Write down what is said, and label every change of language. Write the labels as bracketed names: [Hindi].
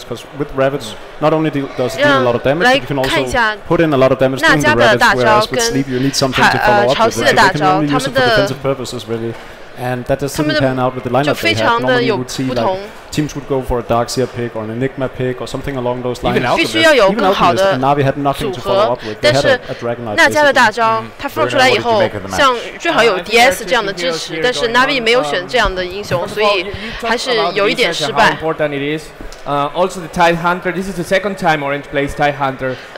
[English] Because with Ravage, not only does it do a lot of damage, but you can also put in a lot of damage during the Ravage. Whereas with sleep, you need something to follow up with. They can only use it for defensive purposes, really. And that just didn't pan out with the lineup they had. Normally, you would see that teams would go for a Darkseer pick or an Enigma pick or something along those lines. Even Alchemist, and Navi had nothing to follow up with. They had a Dragonite. [Chinese] 那加的大招，它放出来以后，像最好有 DS 这样的支持，但是 Navi 没有选这样的英雄，所以还是有一点失败。 [English] Also the Tide Hunter, this is the second time Orange plays Tide Hunter.